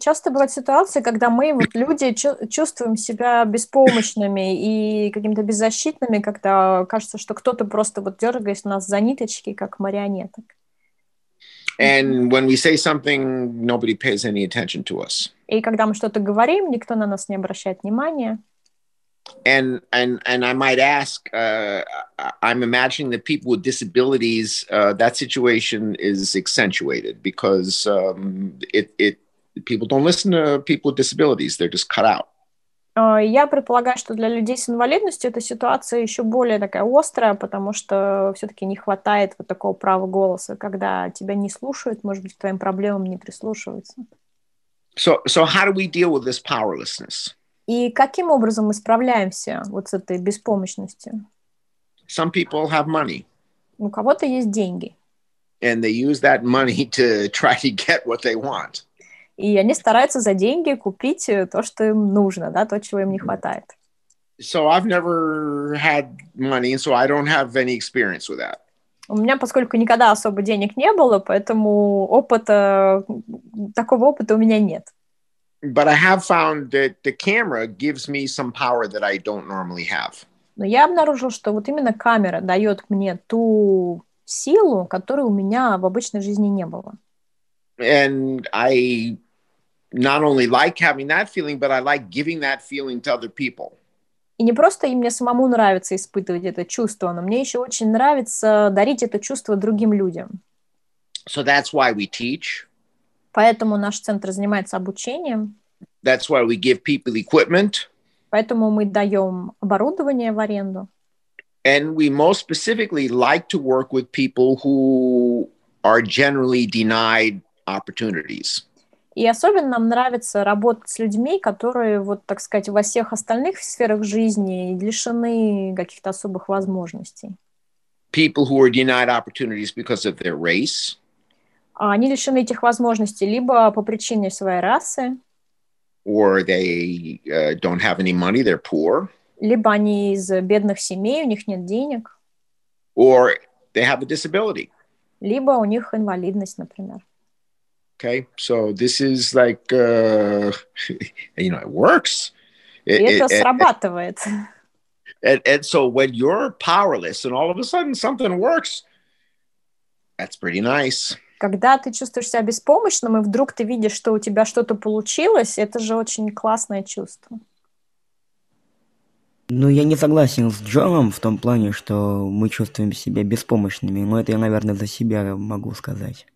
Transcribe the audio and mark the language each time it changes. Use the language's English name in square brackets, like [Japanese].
[Russian] Часто бывают ситуации, когда мы, вот, люди, чувствуем себя беспомощными и какими-то беззащитными, когда кажется, что кто-то просто вот дергает нас за ниточки, как марионеток. [English] And when we say something, nobody pays any attention to us. [Russian] И когда мы что-то говорим, никто на нас не обращает внимания. [English] And I might ask, I'm imagining that people with disabilities, that situation is accentuated because it people don't listen to people with disabilities, they're just cut out. [Russian] Я предполагаю, что для людей с инвалидностью эта ситуация еще более такая острая, потому что все-таки не хватает вот такого права голоса, когда тебя не слушают, может быть, к твоим проблемам не прислушиваются. [English] So how do we deal with this powerlessness? [Russian] И каким образом мы справляемся вот с этой беспомощностью? [English] Some people have money. [Russian] У кого-то есть деньги. [English] And they use that money to try to get what they want. [Russian] И они стараются за деньги купить то, что им нужно, да, то, чего им не хватает. [English] So I've never had money, so I don't have any experience with that. [Russian] У меня, поскольку никогда особо денег не было, поэтому опыта, такого опыта у меня нет. [English] But I have found that the camera gives me some power that I don't normally have. [Russian] Но я обнаружил, что вот именно камера дает мне ту силу, которой у меня в обычной жизни не было. [English] And I not only like having that feeling, but I like giving that feeling to other people. [Russian] И не просто и мне самому нравится испытывать это чувство, но мне еще очень нравится дарить это чувство другим людям. [English] So that's why we teach. [Russian] Поэтому наш центр занимается обучением. [English] That's why we give people equipment. [Russian] Поэтому мы даем оборудование в аренду. [English] And we most specifically like to work with people who are generally denied opportunities. [Russian] И особенно нам нравится работать с людьми, которые, вот так сказать, во всех остальных сферах жизни лишены каких-то особых возможностей. [English] People who are denied opportunities because of their race. [Russian] Они лишены этих возможностей либо по причине своей расы. [English] Or they don't have any money, they're poor. [Russian] Либо они из бедных семей, у них нет денег. [English] Or they have a disability. [Russian] Либо у них инвалидность, например. [English] Okay, so this is like, you know, it works. [Russian] Срабатывает. [English] And so when you're powerless and all of a sudden something works, that's pretty nice. [Russian] Когда ты чувствуешь себя беспомощным, и вдруг ты видишь, что у тебя что-то получилось, это же очень классное чувство. Ну, я не согласен с Джоном в том плане, что мы чувствуем себя беспомощными, но это я, наверное, за себя могу сказать.